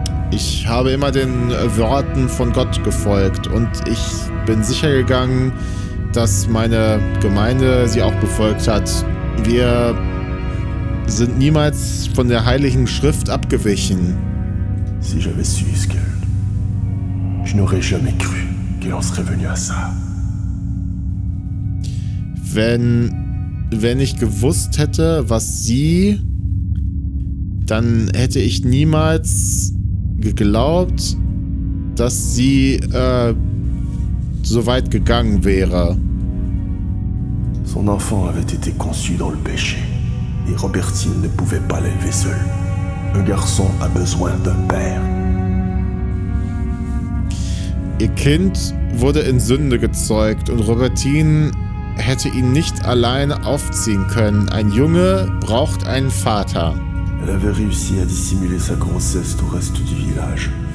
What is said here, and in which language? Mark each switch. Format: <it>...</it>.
<de>Ich habe immer den Worten von Gott gefolgt und ich bin sicher gegangen, dass meine Gemeinde sie auch befolgt hat. Wir sind niemals von der Heiligen Schrift abgewichen.</de> <fr>Si j'avais su ce que je n'aurais jamais cru que l'on serait venu à ça.</fr> <de>Wenn ich gewusst hätte, was sie, dann hätte ich niemals geglaubt, dass sie so weit gegangen wäre.</de> <fr>Son enfant avait été conçu dans le péché, et Robertine ne pouvait pas l'élever seul. Un garçon a besoin d'un père.</fr> <de>Ihr Kind wurde in Sünde gezeugt und Robertine hätte ihn nicht alleine aufziehen können. Ein Junge braucht einen Vater.</de> <fr>Elle avait réussi à dissimuler sa grossesse au reste du village.</fr>